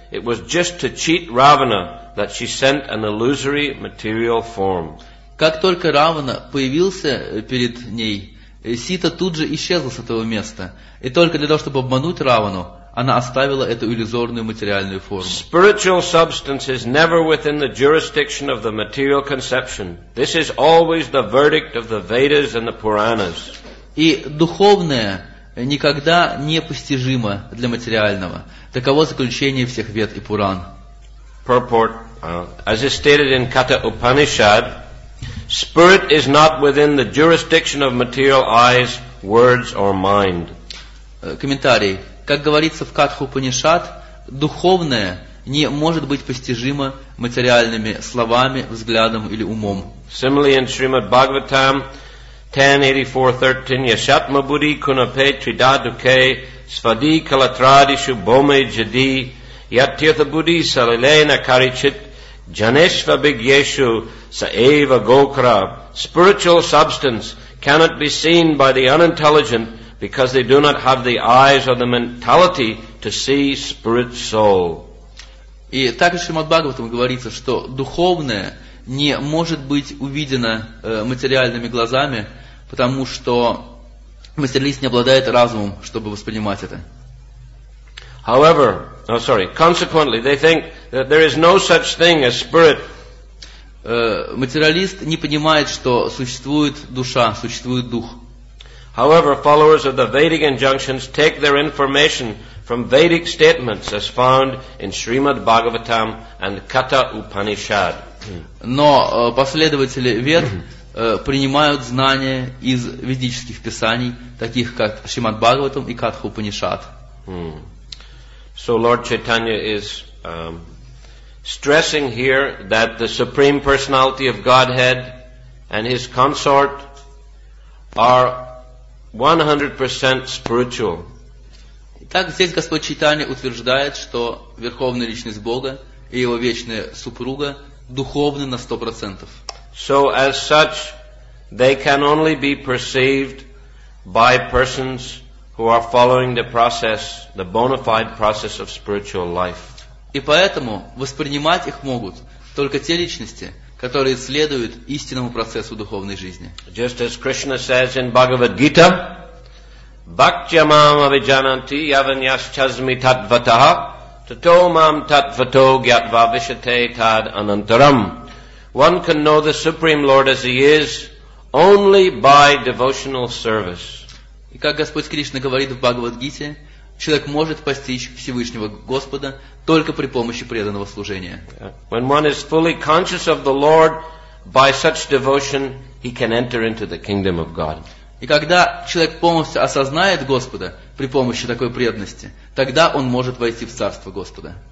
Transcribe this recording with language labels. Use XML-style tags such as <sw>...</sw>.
<en>It was just to cheat Ravana that she sent an illusory material form.</en> <ru>Как только Равана появился перед ней, Сита тут же исчезла с этого места. И только для того, чтобы обмануть Равану, она оставила эту иллюзорную материальную форму.</ru> <en>Spiritual substance is never within the jurisdiction of the material conception. This is always the verdict of the Vedas and the Puranas.</en> <ru>И духовное никогда не постижимо для материального. Таково заключение всех Вед и Пуран.</ru> <en>Purport, as is stated in Katha Upanishad, spirit is not within the jurisdiction of material eyes, words or mind.</en> <ru>Комментарий. Как говорится в Катху Панишад, духовное не может быть постижимо материальными словами, взглядом или умом.</ru> <en>Similarly in Srimad Bhagavatam 10.84.13</en> <sa>Yashatma buddhi kunape tridaduke svadi kalatradishu bome jadi yatyatha buddhi salilena karichit janeshva bigyeshu saeva gokra.</sa> <en>Spiritual substance cannot be seen by the unintelligent because they do not have the eyes or the mentality to see spirit soul.</en> <ru>И так же Шримад Бхагаватам говорится, что духовное не может быть увидено материальными глазами, потому что материалист не обладает разумом, чтобы воспринимать это.</ru> <en>Consequently, they think that there is no such thing as spirit.</en> <ru>Материалист не понимает, что существует душа, существует дух.</ru> <en>However, followers of the Vedic injunctions take their information from Vedic statements as found in Srimad Bhagavatam and Katha Upanishad.</en> <ru>Но последователи Вед принимают знания из ведических писаний, таких как Шримад Бхагаватам и Катха Упанишад.</ru> <en>So Lord Chaitanya is stressing here that the Supreme Personality of Godhead and his consort are 100% spiritual.</en> <ru>Итак, здесь Господь Чайтанья утверждает, что Верховная Личность Бога и Его Вечная Супруга духовны на 100%.</ru> <en>So as such, they can only be perceived by persons who are following the process, the bona fide process of spiritual life.</en> <ru>И поэтому воспринимать их могут только те личности, которые следуют истинному процессу духовной жизни.</ru> <en>Just as Krishna says in Bhagavad Gita,</en> <sa>Bhaktyamam avijananti yavanyaschasmi tatvataha tato mam tatvato gyatva vishate tad anantaram.</sa> <en>One can know the Supreme Lord as He is only by devotional service.</en> <ru>И как Господь Кришна говорит в Бхагавад-гите, человек может постичь Всевышнего Господа только при помощи преданного служения.</ru> <en>When one is fully conscious of the Lord by such devotion, he can enter into the kingdom of God.</en> <ru>И когда человек полностью осознает Господа при помощи такой преданности, тогда он может войти в Царство Господа.</ru>